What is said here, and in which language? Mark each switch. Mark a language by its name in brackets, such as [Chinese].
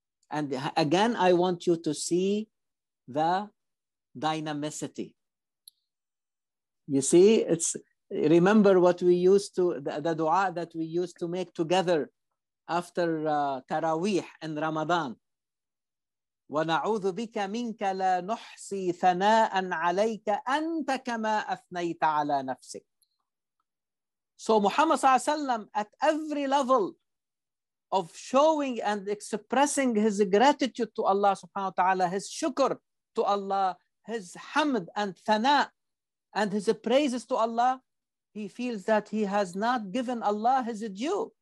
[English] And again, I want you to see the dynamicity. You see, it's, remember what we used to, the dua that we used to make together after Taraweeh in Ramadan. [Arabic] ونعوذ بك منك لا نحصي ثناء عليك أنت كما أثنيت على نفسك. [English] So Muhammad [Arabic] صلى الله عليه وسلم [English] at every level of showing and expressing his gratitude to Allah subhanahu wa ta'ala, his shukr to Allah, his hamd and thana and his praises to Allah, he feels that he has not given Allah his due.